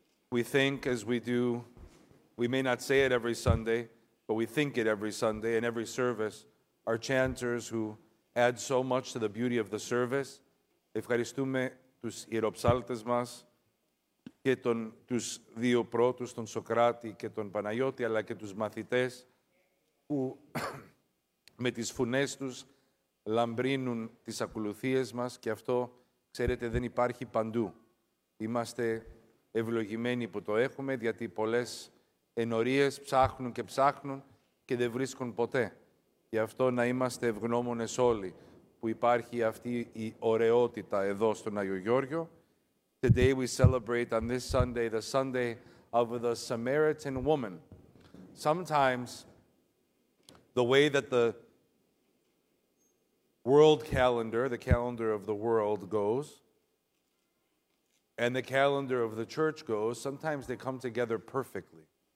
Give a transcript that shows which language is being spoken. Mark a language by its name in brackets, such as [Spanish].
[English] We think as we do, we may not say it every Sunday, but we think it every Sunday in every service, our chanters who add so much to the beauty of the service. [Greek] Ευχαριστούμε τους ιεροψάλτες μας και τους δύο πρώτους, τον Σοκράτη και τον Παναγιώτη, αλλά και τους μαθητές που με τις φωνές τους λαμπρύνουν τις ακολουθίες μας και αυτό, ξέρετε, δεν υπάρχει παντού. Είμαστε ευλογημένοι που το έχουμε, γιατί πολλές ενορίες ψάχνουν και ψάχνουν και δεν βρίσκουν ποτέ. Γι' αυτό να είμαστε ευγνώμονες όλοι που υπάρχει αυτή η ωραιότητα εδώ στον Άγιο Γιώργιο. [English] Today we celebrate on this Sunday, the Sunday of the Samaritan woman. Sometimes the way that the world calendar, the calendar of the world goes, and the calendar of the church goes, sometimes they come together perfectly.